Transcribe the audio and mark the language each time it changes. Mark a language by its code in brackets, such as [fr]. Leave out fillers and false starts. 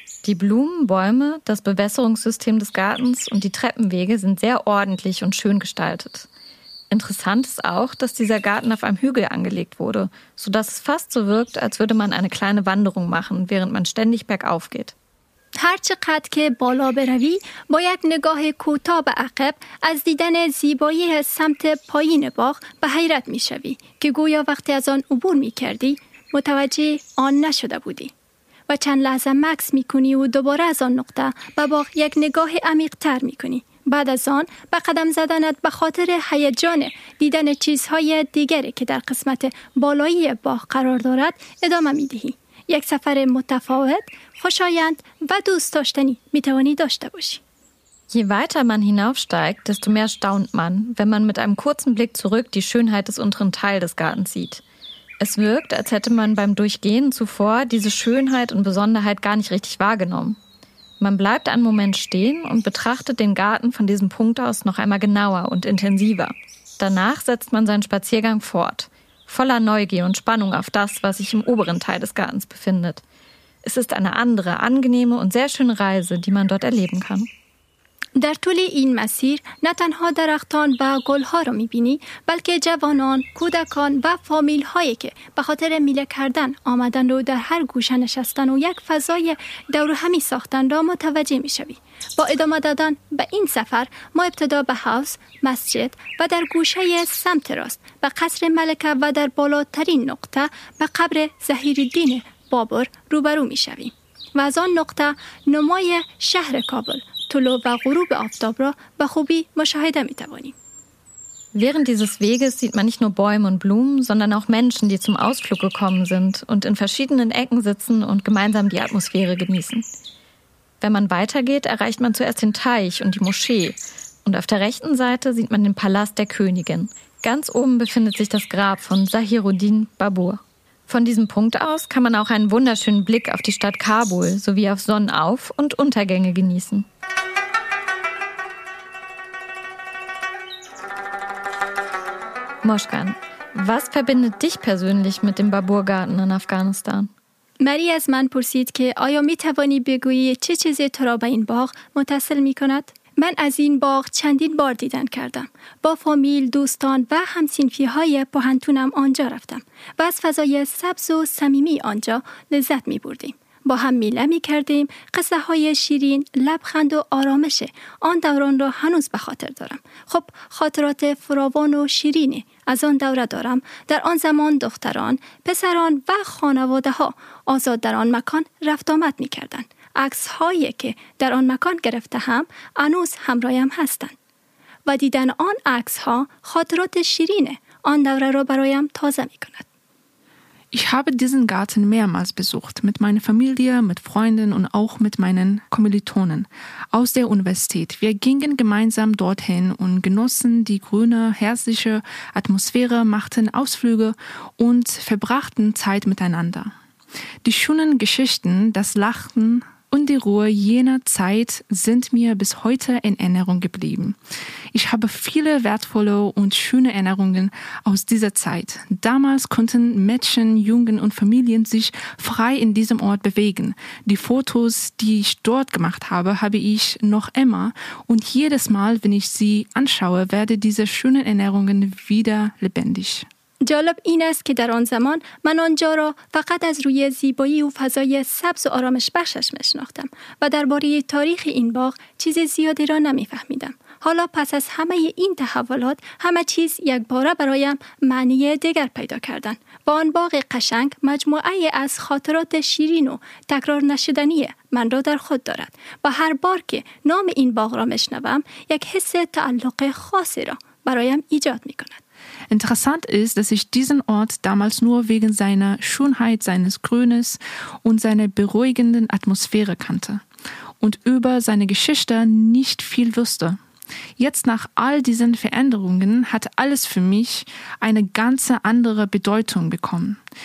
[de] Die Blumen, Bäume, das Bewässerungssystem des Gartens und die Treppenwege sind sehr ordentlich und schön gestaltet. Interessant ist auch, dass dieser Garten auf einem Hügel angelegt wurde, sodass es fast so wirkt, als würde man eine kleine Wanderung machen, während man ständig bergauf geht. [fa] هر چقدر که بالا بروی با یک نگاه کوتاه به عقب از دیدن زیبایی سمت پایین باغ به حیرت می شوی که گویا وقتی از آن عبور می کردی متوجه آن نشده بودی و چند لحظه مکس می کنی و دوباره از آن نقطه به باغ یک نگاه عمیق تر می کنی بعد از آن به قدم زدنت به خاطر هیجان دیدن چیزهای دیگری که در قسمت بالایی باغ قرار دارد ادامه می دهی یک سفر متفاوت، خوشایند و دوست داشتنی میتوانی داشته باشی. [de] Je weiter man hinaufsteigt, desto mehr staunt man, wenn man mit einem kurzen Blick zurück die Schönheit des unteren Teils des Gartens sieht. Es wirkt, als hätte man beim Durchgehen zuvor diese Schönheit und Besonderheit gar nicht richtig wahrgenommen. Man bleibt einen Moment stehen und betrachtet den Garten von diesem Punkt aus noch einmal genauer und intensiver. Danach setzt man seinen Spaziergang fort. Voller Neugier und Spannung auf das, was sich im oberen Teil des Gartens befindet. Es ist eine andere, angenehme und sehr schöne Reise, die man dort erleben kann. [fa] در طول این مسیر نه تنها درختان و گلها را میبینی بلکه جوانان، کودکان و فامیلهایی که به خاطر میله کردن آمدن و در هر گوشه نشستن و یک فضای دورهمی ساختن را متوجه میشوی. با ادامه دادن به این سفر ما ابتدا به حوض، مسجد و در گوشه سمت راست به قصر ملکه و در بالاترین نقطه به قبر ظهیرالدین بابر روبرو میشوی. و از آن نقطه نمای شهر کابل، طلوع و غروب آفتاب را به خوبی مشاهده می توانیم. [de] Während dieses Weges sieht man nicht nur Bäume und Blumen, sondern auch Menschen, die zum Ausflug gekommen sind und in verschiedenen Ecken sitzen und gemeinsam die Atmosphäre genießen. Wenn man weitergeht, erreicht man zuerst den Teich und die Moschee. Und auf der rechten Seite sieht man den Palast der Königin. Ganz oben befindet sich das Grab von Zahiruddin Babur. Von diesem Punkt aus kann man auch einen wunderschönen Blick auf die Stadt Kabul sowie auf Sonnenauf- und Untergänge genießen. Moshkan, was verbindet dich persönlich mit dem Baburgarten in Afghanistan? [fa] مری از من پرسید که آیا می توانی بگویی چه چیزی تو را به این باغ متصل می کند؟ من از این باغ چندین بار دیدن کردم. با فامیل، دوستان و همسینفی های پوهنتونم آنجا رفتم و از فضای سبز و صمیمی آنجا لذت می بردیم. با هم میله می کردیم، قصه های شیرین، لبخند و آرامش آن دوران را هنوز به خاطر دارم. خب خاطرات فراوان و شیرینی از آن دوره دارم. در آن زمان دختران، پسران و خانواده ها آزاد در آن مکان رفت آمد می کردن. عکس هایی که در آن مکان گرفته هم هنوز همراهم هستند. و دیدن آن عکس ها خاطرات شیرینه آن دوره را برایم تازه می کند. [de] Ich habe diesen Garten mehrmals besucht, mit meiner Familie, mit Freunden und auch mit meinen Kommilitonen aus der Universität. Wir gingen gemeinsam dorthin und genossen die grüne, herzliche Atmosphäre, machten Ausflüge und verbrachten Zeit miteinander. Die schönen Geschichten, das Lachen und die Ruhe jener Zeit sind mir bis heute in Erinnerung geblieben. Ich habe viele wertvolle und schöne Erinnerungen aus dieser Zeit. Damals konnten Mädchen, Jungen und Familien sich frei in diesem Ort bewegen. Die Fotos, die ich dort gemacht habe, habe ich noch immer. Und jedes Mal, wenn ich sie anschaue, werde diese schönen Erinnerungen wieder lebendig. [fa] جالب این است که در آن زمان من آنجا را فقط از روی زیبایی و فضای سبز و آرامش بخشش میشناختم و درباره تاریخ این باغ چیز زیادی را نمیفهمیدم. حالا پس از همه این تحولات همه چیز یک باره برایم معنی دیگر پیدا کردن و آن باغ قشنگ مجموعه از خاطرات شیرین و تکرار نشدنی من را در خود دارد و هر بار که نام این باغ را میشنوم یک حس تعلق خاصی را برایم ایجاد میکند. [de] Interessant ist, dass ich diesen Ort damals nur wegen seiner Schönheit, seines Grünes und seiner beruhigenden Atmosphäre kannte und über seine Geschichte nicht viel wusste. Jetzt nach all diesen Veränderungen hat alles für mich eine ganz andere Bedeutung bekommen.